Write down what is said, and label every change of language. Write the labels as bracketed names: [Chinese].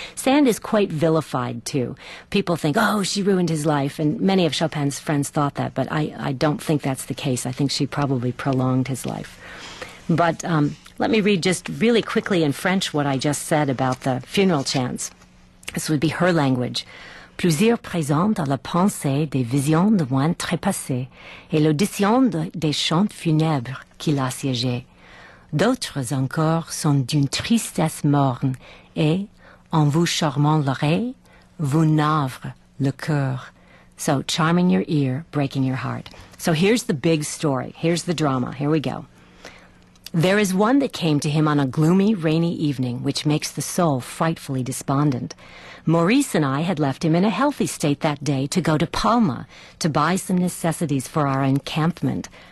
[English] Sand is quite vilified, too. People think, oh, she ruined his life, and many of Chopin's friends thought that, but I don't think that's the case. I think she probably prolonged his life. But let me read just really quickly in French what I just said about the funeral chants. This would be her language. [French] Plusieurs présentent à la pensée des visions de moines trépassés et l'audition des chants funèbres qui l'assiégeaient. D'autres encore sont d'une tristesse morne et, en vous charmant l'oreille, vous navre le cœur. [English] So, charming your ear, breaking your heart. So here's the big story. Here's the drama. Here we go. There is one that came to him on a gloomy, rainy evening, which makes the soul frightfully despondent. Maurice and I had left him in a healthy state that day to go to Palma to buy some necessities for our encampment.